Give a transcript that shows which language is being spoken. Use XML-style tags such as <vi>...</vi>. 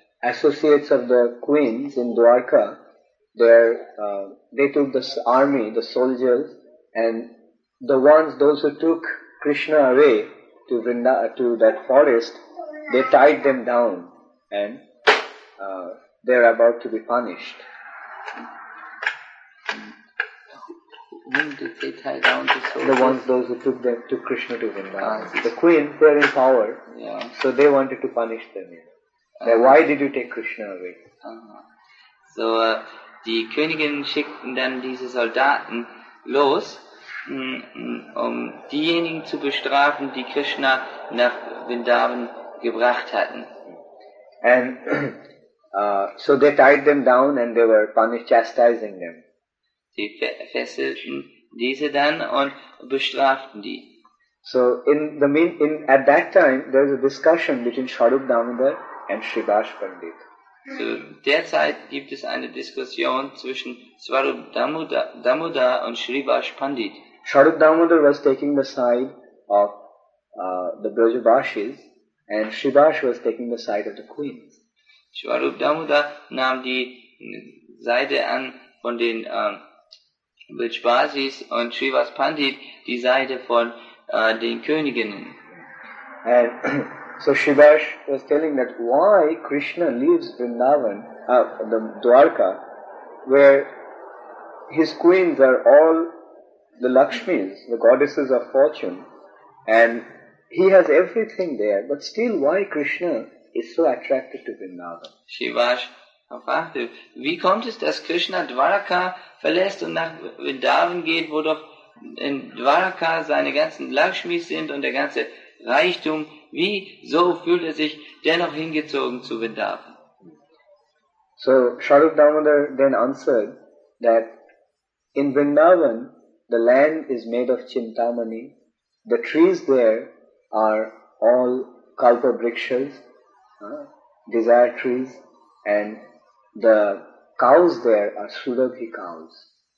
<en>Associates of the queens in Dwarka, they took this army, the soldiers, and those who took Krishna away to to that forest, they tied them down, and they are about to be punished. Whom did they tie down? The soldiers? The ones, those who took them to Krishna to Vrindavan. The queen, they are in power, so they wanted to punish them. Why did you take Krishna away?</en> <de>So, die Königin schickten dann diese Soldaten los, um diejenigen zu bestrafen, die Krishna nach Vrindavan gebracht hatten.</de> <en>And so they tied them down and they were punished, chastising them.</en> <de>Sie fesselten diese dann und bestraften die.</de> <en>So at that time there was a discussion between Swarup Damodar and Shribhash Pandit.</en> <de>So derzeit gibt es eine Diskussion zwischen Swarup Damodar und Shribhash Pandit.</de> <en>Swarup Damodar was taking the side of the Brajabashis, and Shribhash was taking the side of the queens.</en> <de>Swarup Damodar nahm die Seite an von den Brajabashis und Shribhash Pandit die Seite von den Königinnen.</de> <en>And so Shribhash was telling that why Krishna leaves Vrindavan, the Dwarka, where his queens are all the Lakshmis, the goddesses of fortune, and he has everything there, but still why Krishna is so attracted to Vrindavan.</en> <de>Shivash fragte, wie kommt es, dass Krishna Dwarka verlässt und nach Vrindavan geht, wo doch in Dwarka seine ganzen Lakshmis sind und der ganze Reichtum, wieso fühlt er sich dennoch hingezogen zu Vrindavan?</de> <en>So Swarup Damodar then answered that in Vrindavan the land is made of Chintamani, the trees there are all Kalpa Brikshas, desire trees, and the cows there are Sudabhi cows.</en>